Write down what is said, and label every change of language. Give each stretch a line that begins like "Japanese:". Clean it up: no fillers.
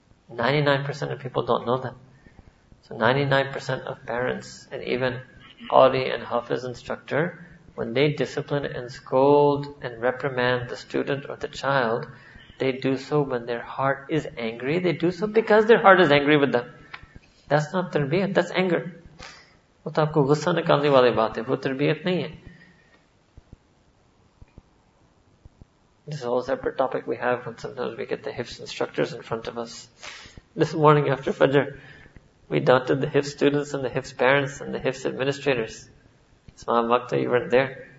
English: 99% of people don't know that. So 99% of parents and even Qadi and Hafiz instructor, when they discipline and scold and reprimand the student or the child, they do so when their heart is angry. They do so because their heart is angry with them. That's not tarbiyat, that's anger.
Urdu: وہ تو آپ کو غصہ نکالنے والے بات ہے وہ تربیت نہیں ہے.
English: This is a whole separate topic we have when sometimes we get the HIFS instructors in front of us. This morning after Fajr, we doubted the HIFS students and the HIFS parents and the HIFS administrators. Ismail Makhta, you weren't there.